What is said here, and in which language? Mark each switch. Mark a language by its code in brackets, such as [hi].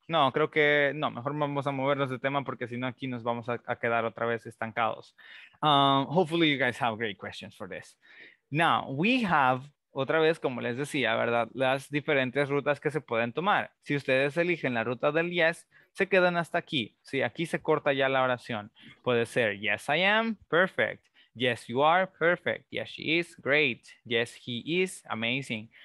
[es] No, creo que no, mejor vamos a movernos de tema porque si no aquí nos vamos a quedar otra vez estancados. [en] Hopefully you guys have great questions for this. Now, we have, [es] otra vez, como les decía, ¿verdad? Las diferentes rutas que se pueden tomar. Si ustedes eligen la ruta del yes, se quedan hasta aquí. Sí, aquí se corta ya la oración. Puede ser, [en] yes, I am, perfect. Yes, you are, perfect. Yes, she is, great. Yes, he is, amazing.